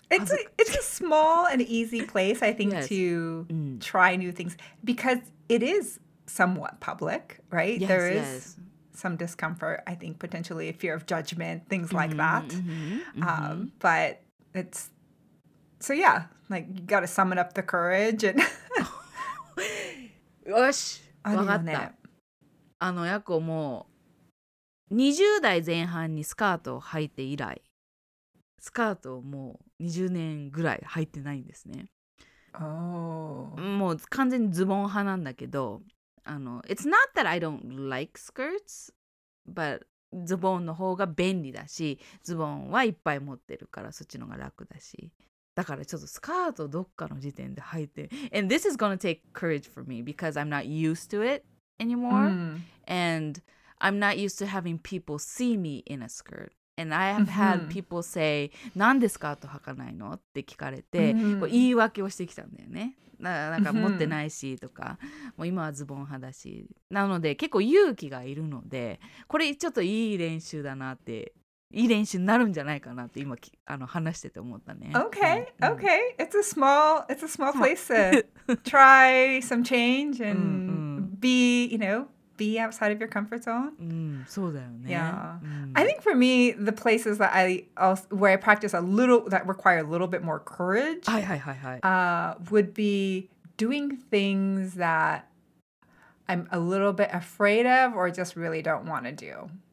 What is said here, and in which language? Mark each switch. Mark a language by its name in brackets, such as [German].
[English] It's a small and easy place, I think, to try new things because it is somewhat public, right? Yes, there is some discomfort, I think, potentially a fear of judgment, things like that. But it's so yeah, like you got to summon up the courage and. [Japanese] よし、わかった。あのやこも20代前半にスカートを履いて以来。スカートをもう20年ぐらい履いてないんですね。もう完全にズボン派なんだけど、あの [English] It's not that I don't like skirts, [Japanese] but ズボンの方が便利だし、ズボンはいっぱい持ってるからそっちの方が楽だし、だからちょっとスカートどっかの時点で履いて、 [English] And this is gonna take courage for me because I'm not used to it anymore, and I'm not used to having people see me in a skirt. And I have had people say, [Japanese] なんでスカート履かないのって聞かれて、こう言い訳をしてきたんだよね。なんか持ってないしとか、もう今はズボン派だし。なので結構勇気がいるので、これちょっといい練習だなって、いい練習になるんじゃないかなって今あの話してて思ったね。 [English] Okay, okay. It's a small place to try some change and be, you know,be outside of your comfort zone. [Japanese] そうだよね。 [English] I think for me, the places that where I practice a little, that require a little bit more courage, would be doing things that I'm a little bit afraid of or just really don't want to do.